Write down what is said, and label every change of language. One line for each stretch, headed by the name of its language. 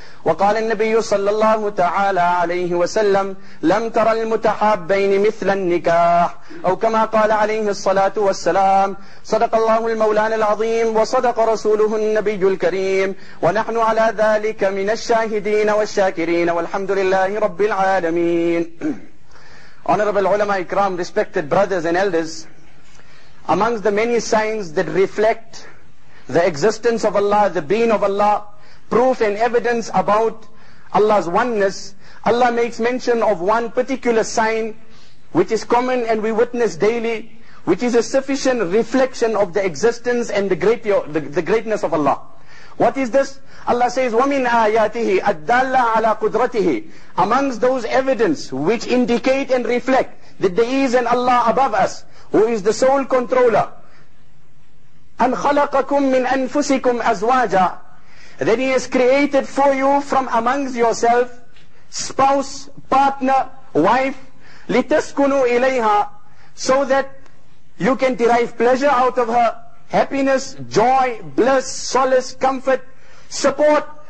Arabic: وقال النبي صلى الله تعالى عليه وسلم: لم تر المتحابين مثل النكاح، أو كما قال عليه الصلاة والسلام. صدق الله المولانا العظيم، وصدق رسوله النبي الكريم، ونحن على ذلك من الشاهدين والشاكرين، والحمد لله رب العالمين.
English: Honorable ulama ikram, respected brothers and elders, amongst the many signs that reflect the existence of Allah, the being of Allah, proof and evidence about Allah's oneness, Allah makes mention of one particular sign which is common and we witness daily, which is a sufficient reflection of the existence and the greatness of Allah. What is this? Allah says,
Arabic: وَمِنْ آيَاتِهِ أَدَّلَّ عَلَىٰ قُدْرَتِهِ.
English: Amongst those evidence which indicate and reflect that there is an Allah above us, who is the sole controller.
Arabic: أَنْ خَلَقَكُمْ مِنْ أَنفُسِكُمْ أَزْوَاجًا.
English: Then He has created for you from amongst yourself, spouse, partner, wife,
Arabic: لِتَسْكُنُوا إِلَيْهَا,
English: so that you can derive pleasure out of her, happiness, joy, bliss, solace, comfort, support.